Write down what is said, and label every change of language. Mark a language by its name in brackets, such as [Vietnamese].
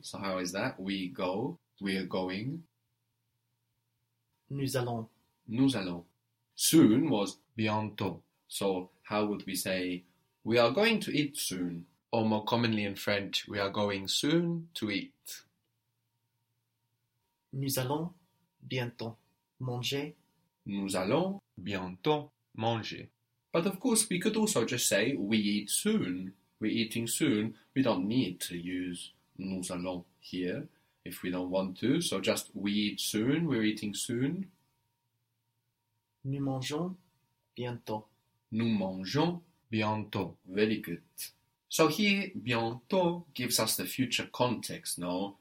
[English] So how is that? We go, we are going. [French] Nous allons. Nous allons. [English] Soon was [French] bientôt. [English] So how would we say we are going to eat soon? Or more commonly in French, we are going soon to eat. [French] Nous allons bientôt manger. Nous allons bientôt manger. [English] But of course, we could also just say we eat soon. We're eating soon. We don't need to use nous allons here if we don't want to. So just we eat soon. We're eating soon. [French] Nous mangeons bientôt. Nous mangeons bientôt. [English] Very good. So here, bientôt gives us the future context, no?